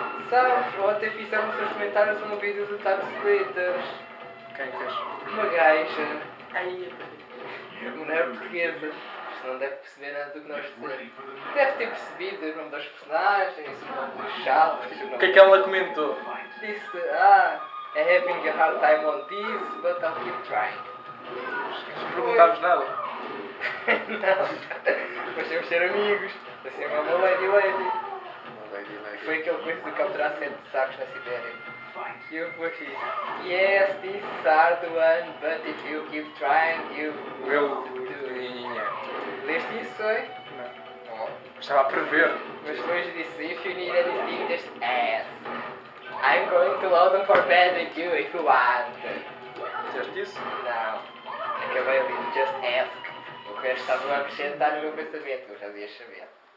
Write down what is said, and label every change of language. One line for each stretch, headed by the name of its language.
Portuguese: Sabes, ontem fizemos os comentários a um vídeo do Tab Splitters. Quem fez? Uma gaja. Ai, não é portuguesa, não deve perceber nada do que nós dizemos. Deve ter percebido o nome das personagens, o nome dos chaves. O que é que ela comentou?
English: Disse, ah, having a hard time on this, but I'll keep trying.
Portuguese: Não perguntámos nada. Não. Mas temos de ser amigos. Assim, uma boa lady lady. Uma lady lady. Foi aquele coisa de capturar 7 sacos na Sibéria. E eu depois disse,
English: yes, this is hard one, but if you keep trying, you will do.
Portuguese: Leste isso, foi? Não. Oh. Estava a prever. Mas depois disse,
English: if you need anything, just ask. I'm going to load them for bed with you if you want.
Portuguese: Fizeste isso? Não. Acabei ali,
English: just ask.
Portuguese: O resto estava a acrescentar no meu pensamento, eu já devia saber.